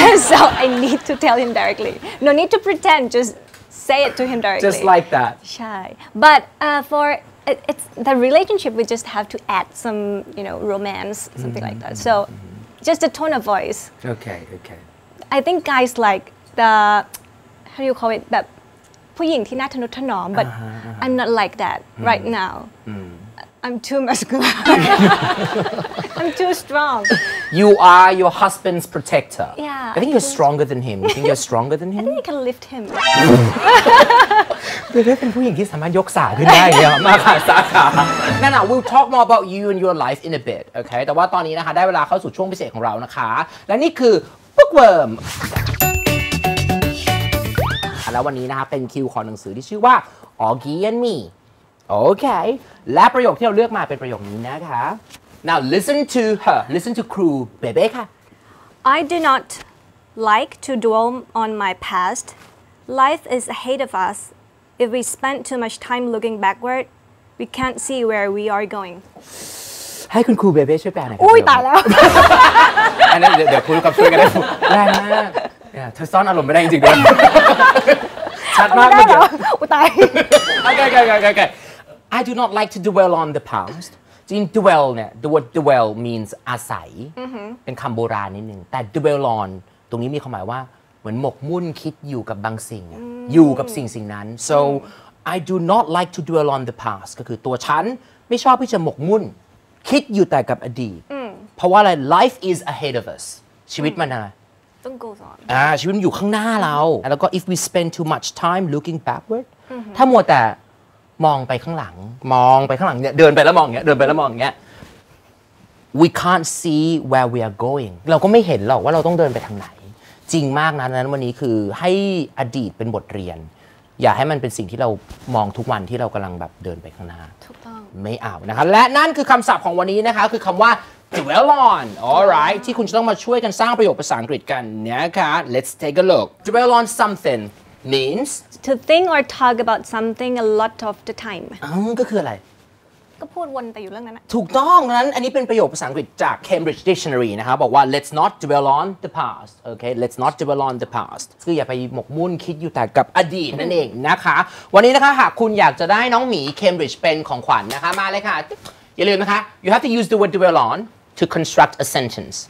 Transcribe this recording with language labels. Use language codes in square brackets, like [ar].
[en] So I need to tell him directly. No need to pretend. Just say it to him directly. Just like that. Shy. But it's the relationship. We just have to add some, you know, romance, something like that. So just the tone of voice. Okay. I think guys like the, how do you call it? The ผู้หญิงที่น่าทะนุถนอม But I'm not like that right now. I'm too masculine. I'm too strong. You are your husband's protector. Yeah. I think you're stronger than him. You think you're stronger than him? I think I can lift him. [th] เป็นผู้หญิงที่สามารถยกสาขึ้นได้เยอะมากค่ะสาขานั่นน่ะ we'll talk more about you and your life in a bit okay แต่ว่าตอนนี้นะคะได้เวลาเข้าสู่ช่วงพิเศษของเรานะคะและนี่คือ Bookwormแล้ววันนี้นะคะเป็นคิวของหนังสือที่ชื่อว่า Augie and MeOkay, และประโยคที่เราเลือกมาเป็นประโยคนี้นะคะ Now listen to her, listen to crew, Bebe ค่ะ [en] I do not like to dwell on my past. Life is ahead of us. If we spend too much time looking backward, we can't see where we are going. [th] ให้คุณครูเบเบ้ช่วยแปลหน่อยครับ อุ้ยตายแล้ว อันนั้นเดี๋ยวคุณกับช่วยกันได้แรงมากเธอซ่อนอารมณ์ไม่ได้จริงๆด้วยชัดมาก เ ลย อุ้ยตาย [en] โอเคI do not like to dwell on the past. [th] In dwell, the word dwell means อาศัย เป็นคำโบราณนิดนึงแต่ dwell on ตรงนี้มีความหมายว่าเหมือนหมกมุ่นคิดอยู่กับบางสิ่ง อยู่กับสิ่งนั้น So I do not like to dwell on the past ก็คือตัวฉันไม่ชอบที่จะหมกมุ่นคิดอยู่แต่กับอดีต เพราะว่าอะไร Life is ahead of us ชีวิตมันนะ ต้อง Goes on ชีวิตมันอยู่ข้างหน้าเรา แล้วก็ if we spend too much time looking backward ถ้ามัวแต่มองไปข้างหลังเนี่ยเดินไปแล้วมองเงี้ย we can't see where we are going เราก็ไม่เห็นหรอกว่าเราต้องเดินไปทางไหนจริงมากนะนั้นวันนี้คือให้อดีตเป็นบทเรียน อย่าให้มันเป็นสิ่งที่เรามองทุกวันที่เรากำลังแบบเดินไปข้างหน้า ถูกต้อง ไม่เอานะครับและนั่นคือคำศัพท์ของวันนี้นะคะคือคำว่า dwell on alright ที่คุณจะต้องมาช่วยกันสร้างประโยคภาษาอังกฤษกันนะคะ let's take a look dwell on something means [en] to think or talk about something a lot of the time [th] ก็คืออะไร ก็พูดวนแต่อยู่เรื่องนั้น ถูกต้องนั้นอันนี้เป็นประโยคภาษาอังกฤษจาก Cambridge Dictionary นะครับบอกว่า let's not dwell on the past okay let's not dwell on the past คืออย่าไปหมกมุ่นคิดอยู่แต่กับอดีตนั่นเองนะคะวันนี้นะคะหากคุณอยากจะได้น้องหมี Cambridge เป็นของขวัญนะคะมาเลยค่ะอย่าลืมนะคะ you have to use the word dwell on to construct a sentence